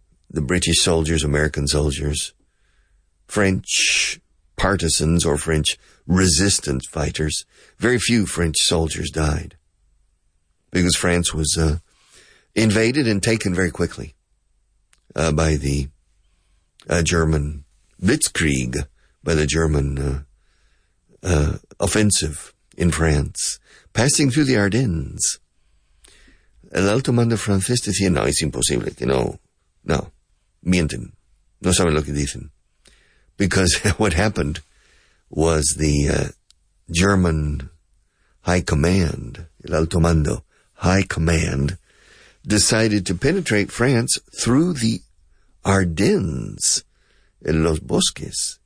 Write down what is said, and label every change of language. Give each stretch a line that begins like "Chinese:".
English: The British soldiers, American soldiers, French partisans or French resistance fighters, very few French soldiers died because France was invaded and taken very quickly by the German Blitzkrieg. By the German offensive in France, passing through the Ardennes.
Spanish: El alto mando francés decía, no, es imposible, que no, no, mienten, no saben lo que dicen.
English: Because what happened was the German high command,
Spanish: el alto mando,
English: high command, decided to penetrate France through the Ardennes,
Spanish: en los bosques.